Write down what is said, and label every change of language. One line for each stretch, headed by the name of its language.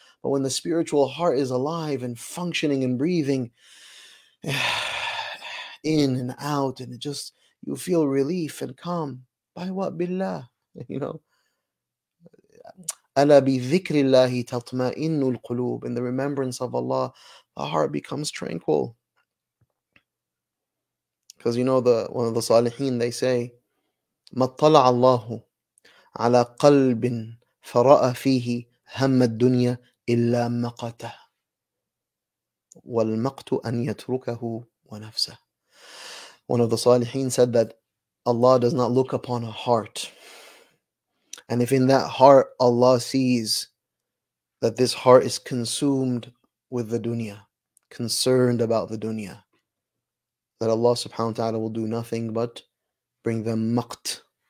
English: But when the spiritual heart is alive and functioning and breathing in and out, and it just, you feel relief and calm. By what? Billah. You know.
Arabic: أَلَا بِذِكْرِ اللَّهِ تَطْمَئِنُّ الْقُلُوبِ,
English: in the remembrance of Allah, the heart becomes tranquil. Because you know, one of the Salihin, they say,
Arabic: مَطَّلَعَ اللَّهُ عَلَى قَلْبٍ فَرَأَ فِيهِ هَمَّ الدُّنْيَا إِلَّا مَقَتَهُ وَالْمَقْتُ أَنْ يَتْرُكَهُ وَنَفْسَهُ.
English: One of the Salihin said that Allah does not look upon a heart. And if in that heart Allah sees that this heart is consumed with the dunya, concerned about the dunya, that Allah subhanahu wa ta'ala will do nothing but bring them maqt.